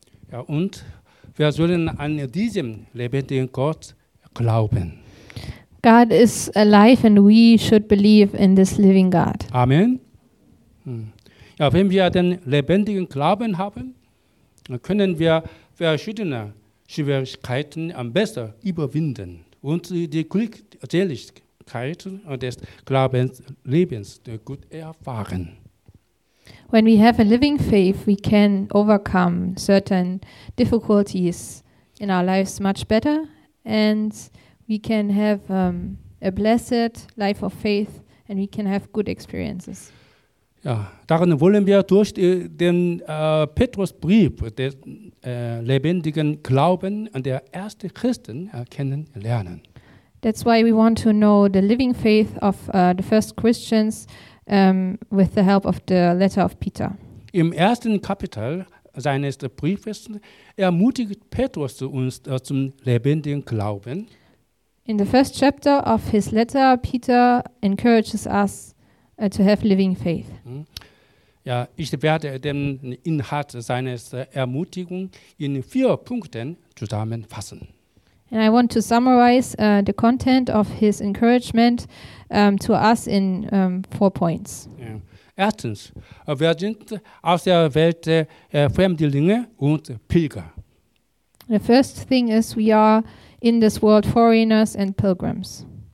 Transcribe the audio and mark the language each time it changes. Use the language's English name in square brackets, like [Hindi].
[German] Ja, und wir sollen an diesem lebendigen Gott glauben. [English] God is alive and we should believe in this living God. Amen. [German] Ja, wenn wir den lebendigen Glauben haben, dann können wir verschiedene Schwierigkeiten am besten überwinden und die Glückseligkeit des Glaubenslebens gut erfahren. [English] When we have a living faith, we can overcome certain difficulties in our lives much better, and we can have a blessed life of faith, and we can have good experiences. [German] Ja, darin wollen wir durch den Petrusbrief des lebendigen Glauben an der ersten Christen kennenlernen. [English] That's why we want to know the living faith of the first Christians with the help of the letter of Peter. [German] Im ersten Kapitel seines Briefes ermutigt Petrus uns zum lebendigen Glauben. [English] In the first chapter of his letter, Peter encourages us to have living faith. [German] Ja, ich werde den Inhalt seines Ermutigung in vier Punkten zusammenfassen. [English] And I want to summarize the content of his encouragement to us in four points. [German] Ja. Erstens, wir sind aus der Welt Fremdlinge und Pilger. [English] The first thing is we are in this world foreigners and pilgrims.